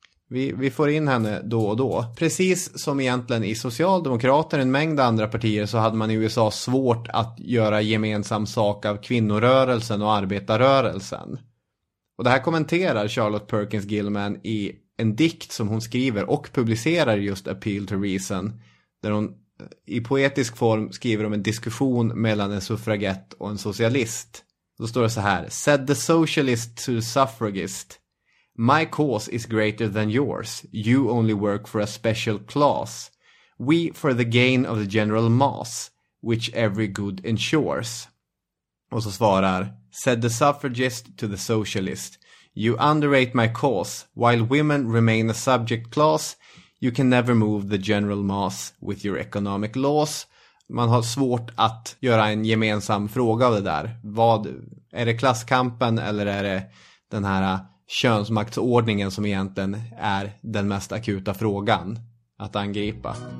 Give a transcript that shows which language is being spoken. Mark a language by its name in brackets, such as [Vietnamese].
[Swedish] Vi får in henne då och då. Precis som egentligen i Socialdemokraterna och en mängd andra partier så hade man i USA svårt att göra gemensam sak av kvinnorörelsen och arbetarrörelsen. Och det här kommenterar Charlotte Perkins Gilman i en dikt som hon skriver och publicerar just Appeal to Reason. Där hon i poetisk form skriver om en diskussion mellan en suffragett och en socialist. Då står det så här. [English] Said the socialist to the suffragist. My cause is greater than yours. You only work for a special class. We for the gain of the general mass, which every good ensures. [Swedish] Och så svarar. [English] Said the suffragist to the socialist. You underrate my cause. While women remain a subject class, you can never move the general mass with your economic laws. [Swedish] Man har svårt att göra en gemensam fråga av det där. Vad är det, klasskampen eller är det den här könsmaktsordningen som egentligen är den mest akuta frågan att angripa?